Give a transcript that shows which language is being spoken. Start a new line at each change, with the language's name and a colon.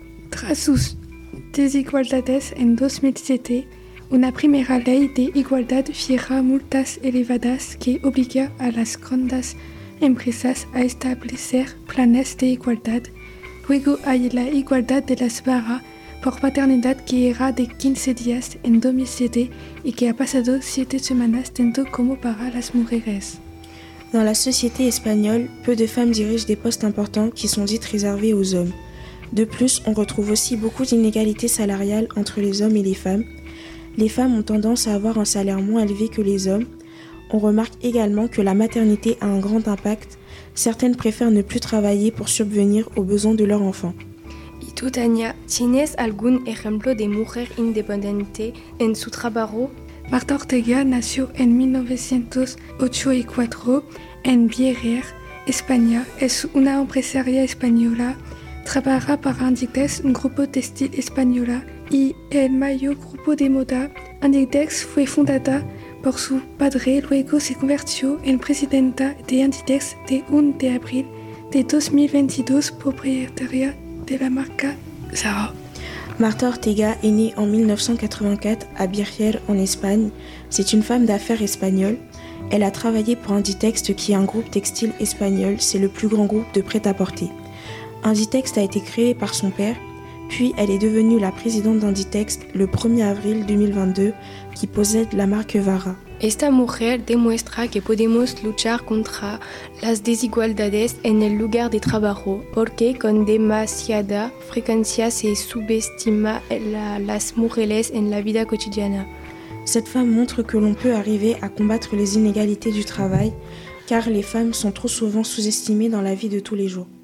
Spanish: Tras sus desigualdades en 2007, una primera ley de igualdad fija multas elevadas que obliga a las grandes empresas a establecer planes de igualdad. Luego hay la igualdad de las barras por paternidad que era de 15 días en 2007 y que ha pasado 7 semanas tanto como para las mujeres.
French: Dans la société espagnole, peu de femmes dirigent des postes importants qui sont dites réservés aux hommes. De plus, on retrouve aussi beaucoup d'inégalités salariales entre les hommes et les femmes. Les femmes ont tendance à avoir un salaire moins élevé que les hommes. On remarque également que la maternité a un grand impact. Certaines préfèrent ne plus travailler pour subvenir aux besoins de leur enfant.
Spanish: ¿Y tú, Tania, tienes algún ejemplo de mujer independiente en su trabajo? Marta Ortega nació en 1984 en Vierger, España. Es una empresaria española. Trabaja para Inditex, un grupo textil española, y el mayor grupo de moda. Inditex fue fundada por su padre, luego se convirtió en presidenta de Inditex de 1 de abril de 2022, propietaria de la marca Zara.
French: Marta Ortega est née en 1984 à Vierger, en Espagne. C'est une femme d'affaires espagnole. Elle a travaillé pour Inditex, qui est un groupe textile espagnol. C'est le plus grand groupe de prêt-à-porter. Inditex a été créé par son père, puis elle est devenue la présidente d'Inditex le 1er avril 2022, qui possède la marque Zara.
Spanish: Esta mujer demuestra que podemos luchar contra las desigualdades en el lugar de trabajo, porque con demasiada frecuencia se subestima las mujeres en la vida cotidiana.
French: Cette femme montre que l'on peut arriver à combattre les inégalités du travail, car les femmes sont trop souvent sous-estimées dans la vie de tous les jours.